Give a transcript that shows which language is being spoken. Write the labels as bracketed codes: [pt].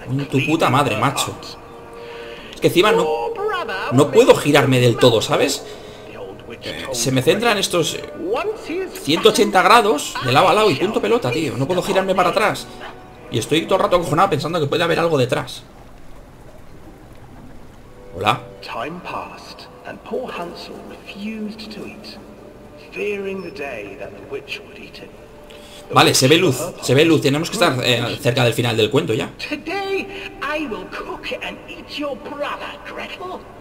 [es] ¡Tu puta madre, macho! Es que encima no puedo girarme del todo, ¿sabes? Se me centran estos 180 grados de lado a lado y punto pelota, tío. No puedo girarme para atrás. Y estoy todo el rato acojonado pensando que puede haber algo detrás. Hola. [en] Time passed and poor Hansel refused to eat, fearing the day that the witch would eat him. [es] Vale, se ve luz, se ve luz. Tenemos que estar cerca del final del cuento ya. [en] Today I will cook and eat your brother, Gretel.